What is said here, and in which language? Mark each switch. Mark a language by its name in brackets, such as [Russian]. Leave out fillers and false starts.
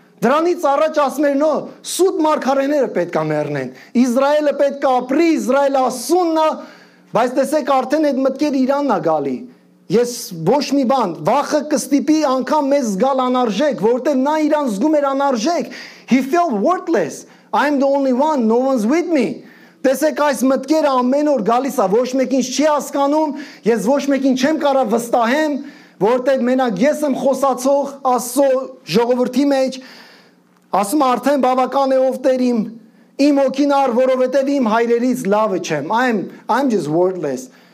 [Armenian] Դրանից առաջ ասում էր, նո, սուտ մարգարեները պետք է մեռնեն, Իսրայելը պետք է ապրի, Իսրայելը ասուննա, բայց տեսեք արդեն այդ մտքերը իրանն ա գալի։ Ես ոչ մի բան, վախը կստիպի անգամ մեզ զգալ անարժեք, որտեւ նա իրան զգում էր անարժեք. [English] He felt worthless. I'm the only one, no one's with me. [Armenian] Տեսեք այս մտքերը ամեն օր գալիս է, ոչ մեկին չի հասկանում, ես ոչ մեկին չեմ կարա վստահեմ, որտեղ մենակ ես եմ խոսացող Աստծո ժողովրդի մեջ, ասում արդեն բավական է ով տեր իմ, իմ հոգին առ, որովհետև իմ հայրերից լավը չեմ, [English] I'm just worthless.